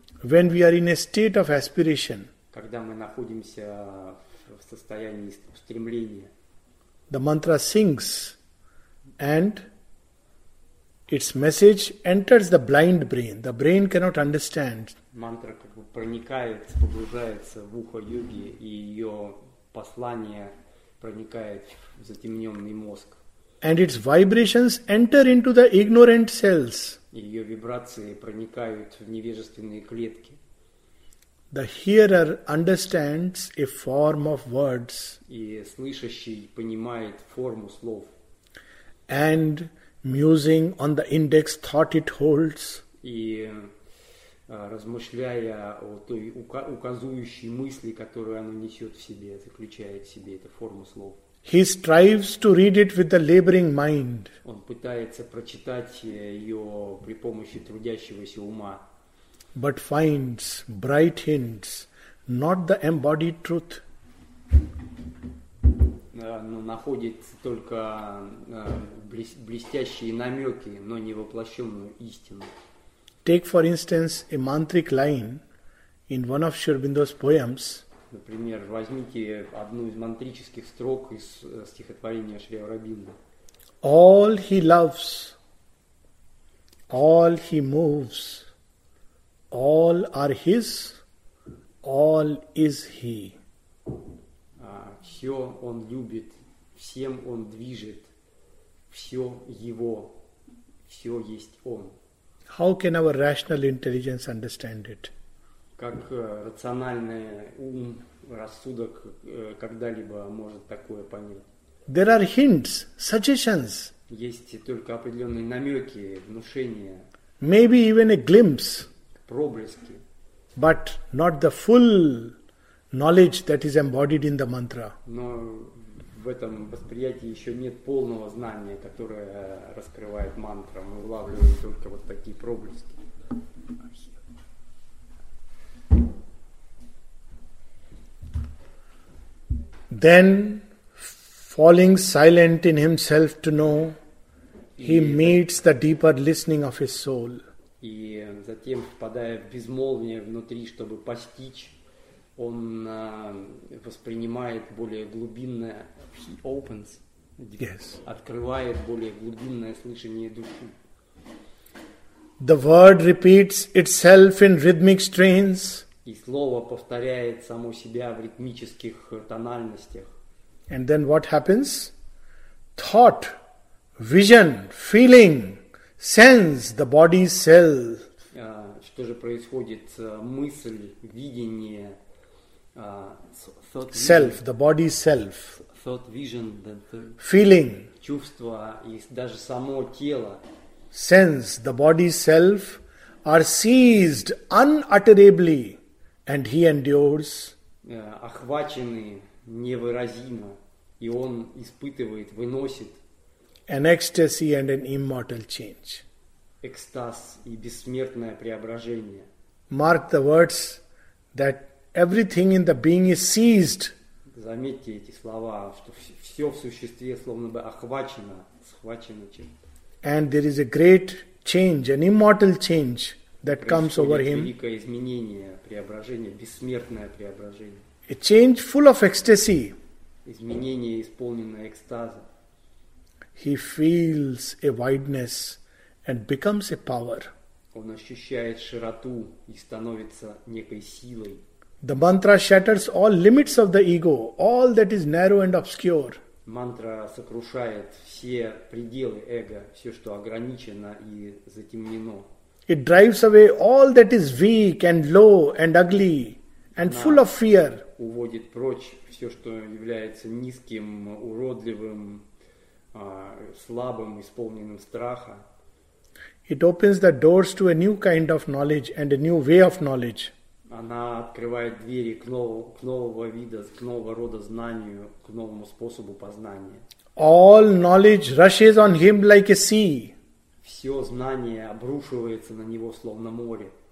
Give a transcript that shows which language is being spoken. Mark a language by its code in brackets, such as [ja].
[en] When we are in a state of aspiration, [ru] когда мы находимся в состоянии стремления, [en] the mantra sings and its message enters the blind brain. The brain cannot understand. [ru] Мантра как бы проникает, погружается в ухо йоги, и ее послание проникает в затемненный мозг. [en] And its vibrations enter into the ignorant cells. [ru] И ее вибрации проникают в невежественные клетки. [en] The hearer understands a form of words. [ru] И слышащий понимает форму слов. [en] And musing on the index thought it holds. [ru] И размышляя о той указывающей мысли, которую оно несет в себе, заключает в себе эту форму слов. [en] He strives to read it with the laboring mind. [ru] Он пытается прочитать ее при помощи трудящегося ума. [en] But finds bright hints, not the embodied truth. [ru] Но находит только блестящие намеки, но не воплощенную истину. [en] Take for instance a mantric line in one of Шурбиндо's poems. [ru] Например, возьмите одну из мантрических строк из стихотворения Шри Аурабинда. [en] All he loves, all he moves, all are his, all is he. [ru] Все он любит, всем он движет, все его, все есть он. [en] How can our rational intelligence understand it? [ru] Как рациональный ум, рассудок когда-либо может такое понять? [en] There are hints, suggestions. [ru] Есть только определенные намеки, внушения. [en] Maybe even a glimpse. [ru] Проблески. [en] But not the full knowledge that is embodied in the mantra. [ru] Но в этом восприятии еще нет полного знания, которое раскрывает мантра. Мы улавливаем только вот такие проблески. [en] Then, falling silent in himself to know, he meets the deeper listening of his soul. [ru] И затем, впадая в безмолвие внутри, чтобы постичь, он воспринимает более глубинное, [en] he opens, yes, [ru] открывает более глубинное слышание души. [en] The word repeats itself in rhythmic strains. [ru] И слово повторяет само себя в ритмических тональностях. [en] And then what happens? Thought, vision, feeling, sense, the body self. [ru] Что же происходит? Мысль, видение. [en] Thought self, vision, the body self. Thought vision, the feeling. [ru] Чувство и даже само тело. [en] Sense, the body self, are seized unutterably, and he endures. [ru] Охвачены невыразимо, и он испытывает, выносит. [en] An ecstasy and an immortal change. [ru] Экстаз и бессмертное преображение. [en] Mark the words that everything in the being is seized. [ru] Заметьте эти слова, что все в существе словно бы охвачено, схвачено чем-то. [en] And there is a great change, an immortal change that comes over him. [ru] Происходит великое изменение, преображение, бессмертное преображение. [en] A change full of ecstasy. [ru] Изменение, исполненное экстаза. [en] He feels a wideness and becomes a power. [ru] Он ощущает широту и становится некой силой. [en] The mantra shatters all limits of the ego, all that is narrow and obscure. [ru] Мантра сокрушает все пределы эго, все, что ограничено и затемнено. [en] It drives away all that is weak and low and ugly and full of fear. [ru] Уводит прочь все, что является низким, уродливым, слабым, исполненным страха. [en] It opens the doors to a new kind of knowledge and a new way of knowledge. [ru] Она открывает двери к нового вида, к нового рода знанию, к новому способу познания. [en] All knowledge rushes on him like a sea. [ru] Все знание обрушивается на него словно море.